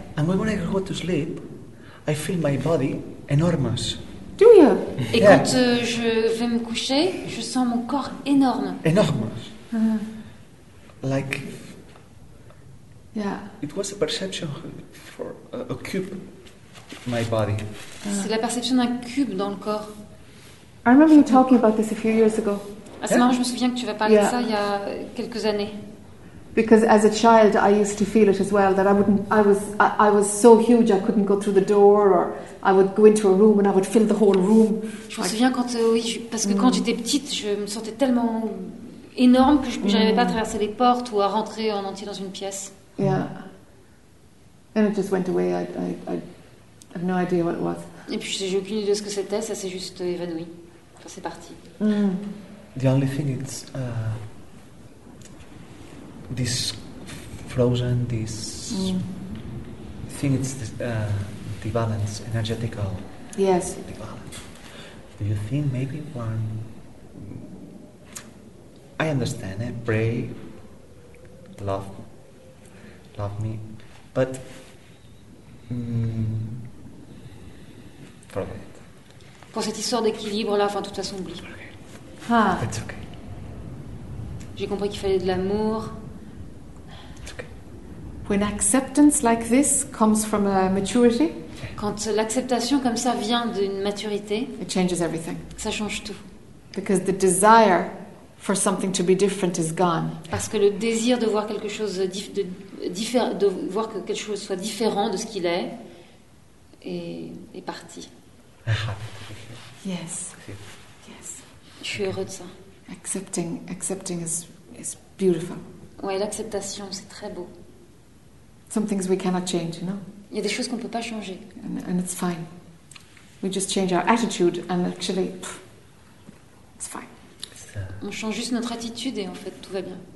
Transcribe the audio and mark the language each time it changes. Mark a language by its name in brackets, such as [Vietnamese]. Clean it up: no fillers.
[English] And when I go to sleep, I feel my body enormous. Do you? [French] Et [English] yeah. [French] Quand je vais me coucher, je sens mon corps énorme. [English] Enormous. Mm. Like. Yeah. It was a perception for a cube. My body. [French] C'est la perception d'un cube dans le corps. [English] I remember you talking about this a few years ago. [French] Marrant, je me souviens que tu avais parlé de ça il y a quelques années. [English] Because as a child, I used to feel it as well. That I was so huge, I couldn't go through the door, or I would go into a room and I would fill the whole room. [French] Je me souviens quand quand j'étais petite, je me sentais tellement énorme que j'arrivais pas à traverser les portes ou à rentrer en entier dans une pièce. [English] Yeah. And it just went away. I have no idea what it was. [French] Et puis j'ai aucune idée de ce que c'était, ça s'est juste évanoui. Enfin, c'est parti. Mm. [English] The only thing is this frozen, this thing is the balance, energetical. Yes. The balance. Do you think maybe one? I understand. Pray. Love me, but. Mm, [French] Pour cette histoire d'équilibre là, enfin, de toute façon, oublie. [English] Ah. It's okay. [French] J'ai compris qu'il fallait de l'amour. [English] It's okay. When acceptance like this comes from a maturity. [French] Quand l'acceptation comme ça vient d'une maturité. [English] It changes everything. [French] Ça change tout. [English] Because the desire for something to be different is gone. [French] Parce que le désir de voir quelque chose de voir que quelque chose soit différent de ce qu'il est est parti. [English] Yes. [French] Je suis heureux de ça. [English] Accepting is beautiful. [French] Ouais, l'acceptation, c'est très beau. [English] Some things we cannot change, you know. [French] Il y a des choses qu'on peut pas changer. [English] And it's fine. We just change our attitude and actually it's fine. [French] On change juste notre attitude et en fait tout va bien.